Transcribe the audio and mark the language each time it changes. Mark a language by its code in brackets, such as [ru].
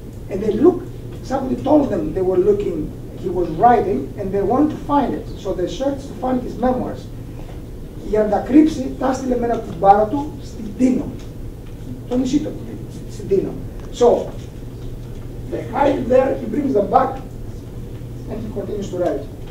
[en] And they look, somebody told them they were looking, he was writing, and they wanted to find it. So they searched to find his memoirs. [el] Για να τα κρύψει, τα έστειλε με ένα κουμπάρο του στην Τίνο. Το νησί του, στην Τίνο. [en] So, they hide it there, he brings them back, and he continues to write.